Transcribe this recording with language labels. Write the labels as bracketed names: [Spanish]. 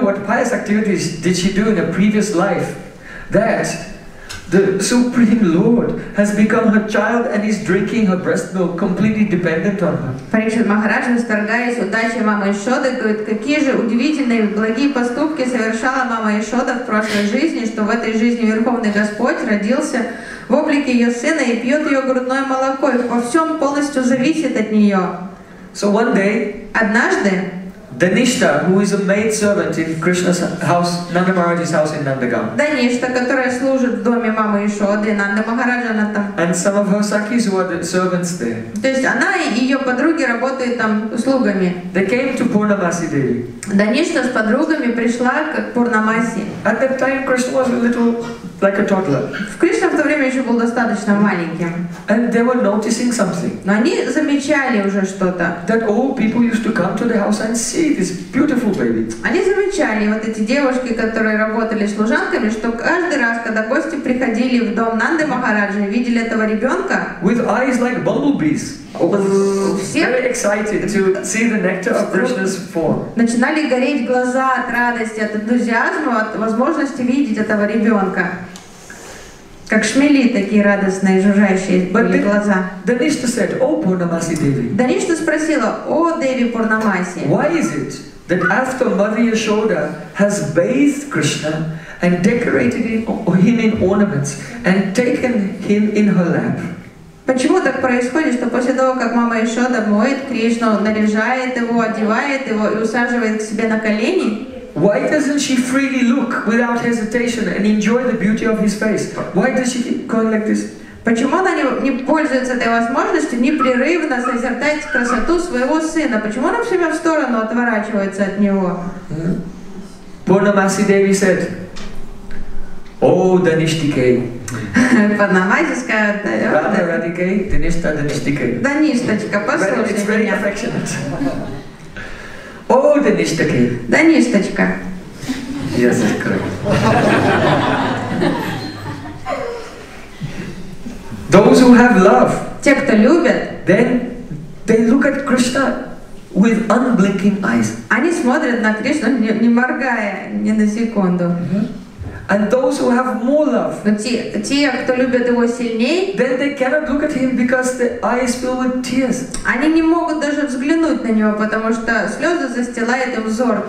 [English] What pious activities did she do in a previous life? That the Supreme Lord has become her child and is drinking her breast milk, completely dependent on her. [Russian] Парикшит Махарадж, восторгаясь удачей мамы Яшоды, говорит, какие же удивительные благие поступки совершала мама Яшода в прошлой жизни, что в этой жизни Верховный Господь родился в облике ее сына и пьет ее грудное молоко, и во всем полностью зависит от нее. [English] So one day, [Russian] однажды, [English] Danishta, who is a maid servant in Krishna's house, Nanda Maharaj's house in Nandagam. [Russian] Danishta, которая служит в доме мамы Яшоды, Нанда Махараджа, она там. [English] And some of her sakis who are the servants there. [Russian] То есть она и ее подруги работают там услугами. [English] They came to Purnamasi Devi. [Russian] Даништа с подругами пришла к Пурнамаси. [English] At that time Krishna was a little like a toddler. [Russian] Кришна в то время еще был достаточно маленьким. [English] And they were noticing something. [Russian] Но они замечали уже что-то. [English] That old people used to come to the house and see this beautiful baby. [Russian] Они замечали вот эти девушки, которые работали служанками, что каждый раз, когда гости приходили в дом Нанды Махараджи, видели этого ребенка. [English] With eyes like bumblebees. Very excited to see the nectar of Krishna's form. [Russian] Начинали гореть глаза от радости, от энтузиазма, от возможности видеть этого ребенка. Как шмели такие радостные, жужжащие были глаза. [English] Даништа said, "О, Пурнамаси Деви." [Russian] Даништа спросила: "О, Деви Пурнамаси." [English] Why is it that after Mother Yashoda has bathed Krishna and decorated him in ornaments and taken him in her lap? Почему так происходит, что после того, как мама Яшода моет Кришну, наряжает его, одевает его и усаживает к себе на колени? Why doesn't she freely look without hesitation and enjoy the beauty of his face? Why does she keep going like this? [Russian] Почему она не пользуется этой возможностью непрерывно созерцать красоту своего сына? Почему она все время в сторону отворачивается от него? [English] Пурнамаси Деви said, "О, Даништикей." Панамазиска, [Russian] да, радикей, Даништа, Даништикей. Даништочка, послушай меня. О, Даништикей. Даништочка. Я закрою. [English] Those who have love. [Russian] Те, кто любят. [English] Then they look at Krishna with unblinking eyes. [Russian] Они смотрят на Кришну не моргая ни на секунду. [English] And those who have more love, [Russian] те, кто любят его сильней, [English] then they cannot look at him because the eyes fill with tears. [Russian] Они не могут даже взглянуть на него, потому что слезы застилают им взор.